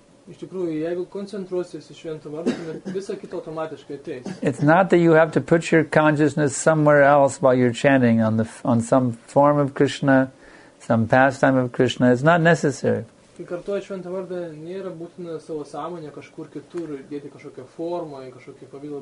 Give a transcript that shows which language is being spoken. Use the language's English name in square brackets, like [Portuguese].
[Lithuanian] Iš tikrųjų, jeigu koncentruosies į šventą vardą, tai visa kita automatiškai ateis. [English] It's not that you have to put your consciousness somewhere else while you're chanting on the on some form of Krishna, some pastime of Krishna. It's not necessary. [Lithuanian] Kai kartuoji šventą vardą, nėra būtina savo sąmonę kažkur kitur dėti kažkokią formą, kažkokį pavidalą.